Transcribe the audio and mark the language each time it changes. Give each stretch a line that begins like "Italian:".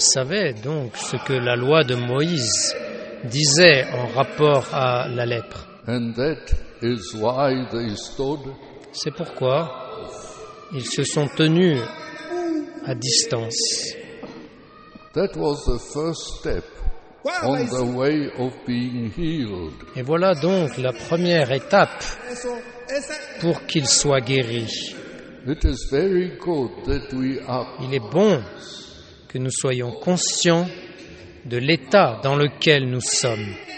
French: savaient donc ce que la loi de Moïse disait en rapport à la lèpre.
English: And that is why they stood.
French: C'est pourquoi ils se sont tenus à distance.
English: That was the first step on the way of being healed.
French: Et voilà donc la première étape pour qu'ils soient guéris.
English: It is very good that we are.
French: Il est bon que nous soyons conscients de l'état dans lequel nous sommes.